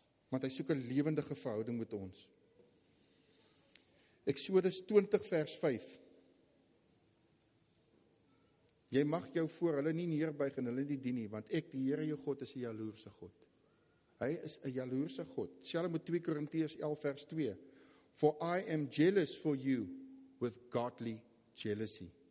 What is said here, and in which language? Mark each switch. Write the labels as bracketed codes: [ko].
[af] Want hy soek 'n lewendige verhouding met ons. Eksodus 20 vers 5. Jy mag jou voor hulle nie neerbuig en hulle nie dien nie, want ek, die Here jou God, is 'n jaloerse God. Hy is 'n jaloerse God. Selfs met 2 Korintiërs 11 vers 2. [en] For I am jealous for you with godly jealousy.